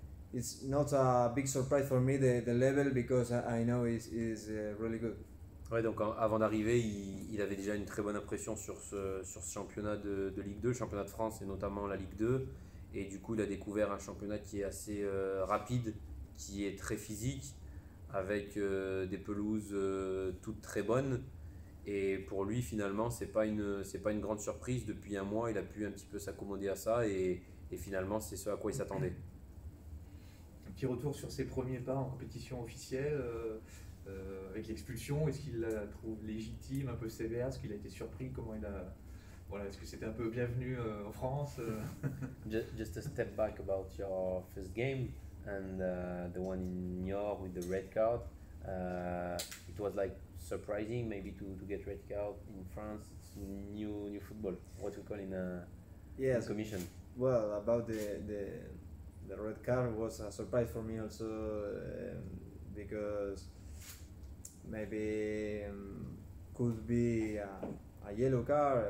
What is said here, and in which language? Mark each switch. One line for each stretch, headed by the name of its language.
English: It's not a big surprise for me the level because I know is really good.
French: Ouais, donc avant d'arriver, il avait déjà une très bonne impression sur ce championnat de Ligue 2, championnat de France et notamment la Ligue 2. Et du coup, il a découvert un championnat qui est assez rapide, qui est très physique, avec des pelouses toutes très bonnes. Et pour lui, finalement, c'est pas une grande surprise. Depuis un mois, il a pu un petit peu s'accommoder à ça, et finalement, c'est ce à quoi il s'attendait. Un petit retour sur ses premiers pas en compétition officielle avec l'expulsion. Est-ce qu'il la trouve légitime, un peu sévère? Est-ce qu'il a été surpris? Comment il a est-ce que c'était un peu bienvenu en France?
English: Just a step back about your first game and the one in New York with the red card. It was like surprising maybe to get red card in France. It's new football, what we call in commission. Well, about the red card was a surprise for me also, because maybe could be a yellow card.